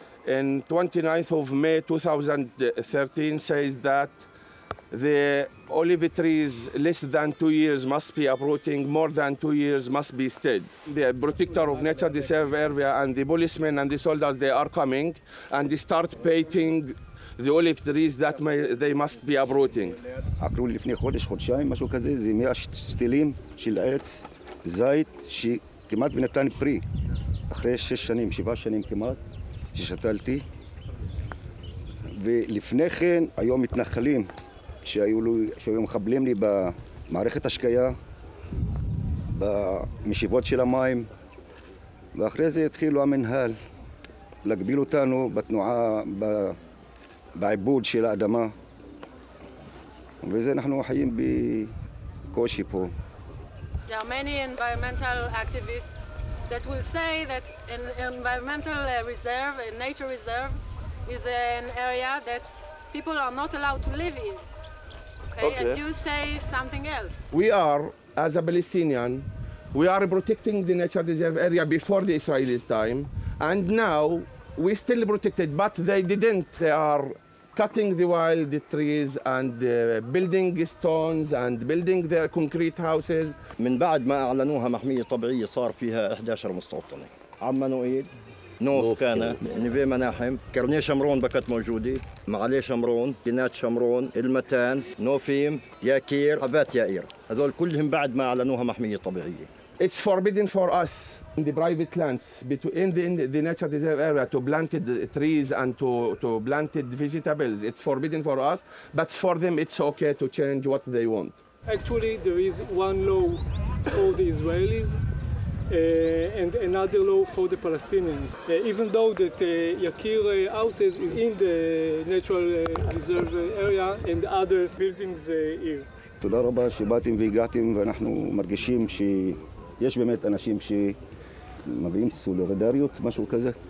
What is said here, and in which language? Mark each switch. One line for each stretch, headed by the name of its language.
English: And 29th of May 2013 says that the olive trees less than 2 years must be uprooting, more than 2 years must be stayed. The protector of nature reserve area and the policemen and the soldiers, they are coming and they start painting the olive trees that may, they must be uprooting.
Hebrew: עקרו לי לפני חודש, חודשיים, משהו כזה, זה 100 שתילים של עץ, זית, כמעט ונתן פרי, אחרי 6 שנים, 7 שנים כמעט, ששתלתי. ולפני כן היו מתנחלים שהיו מחבלים לי במערכת השקיה, במשיבות של המים, ואחרי זה התחילו המנהל להגביל אותנו בתנועה, בעיבוד של האדמה. וזה אנחנו חיים בקושי פה.
English: There are many environmental activists that will say that an environmental reserve, a nature reserve, is an area that people are not allowed to live in. okay? Okay. And you say something else. We are, as a Palestinian, we are protecting the nature reserve area before the Israelis' time, and now we still protect it, but they didn't. They are cutting the wild trees and building stones and building their concrete houses.
Arabic: من بعد ما أعلنوها محمية طبيعية صار فيها 11 مستوطنة. عمانوئيل, نوف كان, نبي مناحم, كرني شمرون بكت موجودة, معالي شمرون, جنات شمرون, المتان, نوفيم, ياكير, عبات يائير. هذول كلهم بعد ما أعلنوها محمية طبيعية.
English: It's forbidden for us in the private lands between the nature reserve area to plant trees and to plant vegetables. It's forbidden for us, but for them it's okay to change what they want. Actually, there is one law for the Israelis and another law for the Palestinians. Even though that Yakir houses is in the natural reserve area and other buildings here.
Hebrew: תודה רבה שבאתם והגעתם ואנחנו מרגישים ש... יש באמת אנשים שמביאים סולידריות, משהו כזה.